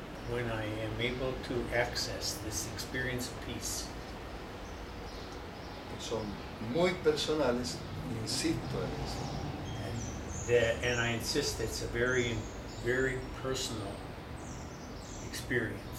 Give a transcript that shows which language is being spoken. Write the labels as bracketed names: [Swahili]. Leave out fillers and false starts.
[English] when I am able to access this experience of peace, [Spanish] que son muy personales, insisto en eso, [English] and I insist it's a very, very personal experience.